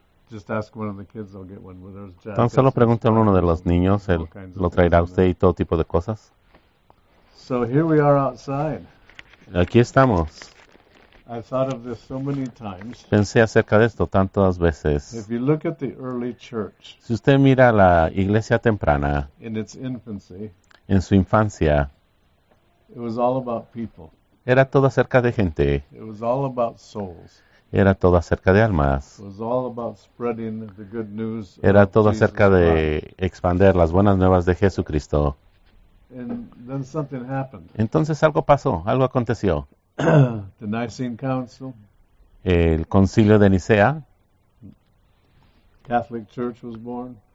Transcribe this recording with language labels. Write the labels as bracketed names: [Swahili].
[English] Just ask one of the kids, they'll get one with those jackets. [Spanish] Tan solo pregunte a uno de los niños, él lo traerá a usted y todo tipo de cosas. [English] So here we are outside. [Spanish] Aquí estamos. [English] I've thought of this so many times. [Spanish] Pensé acerca de esto tantas veces. [English] If you look at the early church, [Spanish] si usted mira la iglesia temprana, [English] in its infancy, [Spanish] en su infancia, [English] it was all about people. [Spanish] Era todo acerca de gente. [English] It was all about souls. [Spanish] Era todo acerca de almas. [English] It was all about spreading the good news of Jesus Christ. [Spanish] Era todo acerca de expandir las buenas nuevas de Jesucristo. [English] And then something happened. [Spanish] Entonces algo pasó, algo aconteció. [English] The Nicene Council, [Spanish] el Concilio de Nicea, [English] Catholic Church was born.